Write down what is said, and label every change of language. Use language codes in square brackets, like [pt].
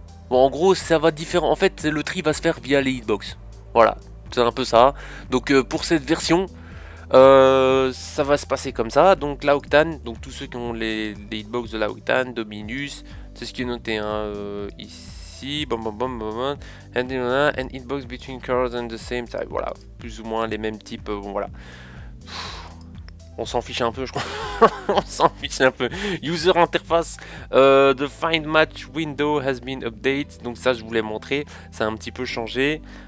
[fr] Bon, en gros, ça va différent. En fait, le tri va se faire via les hitbox. Voilà, c'est un peu ça. Donc pour cette version. Ça va se passer comme ça. Donc la Octane, donc tous ceux qui ont les hitbox de la Octane, Dominus, c'est ce qui est noté hein, ici. Bam bam bam bam bam. [en] And hitbox between cars and the same type. [fr] Voilà, plus ou moins les mêmes types. Bon voilà. On s'en fiche un peu, je crois. On s'en fiche un peu. [en] User interface, the find match window has been updated. [fr] Donc ça, je vous l'ai montré. Ça a un petit peu changé.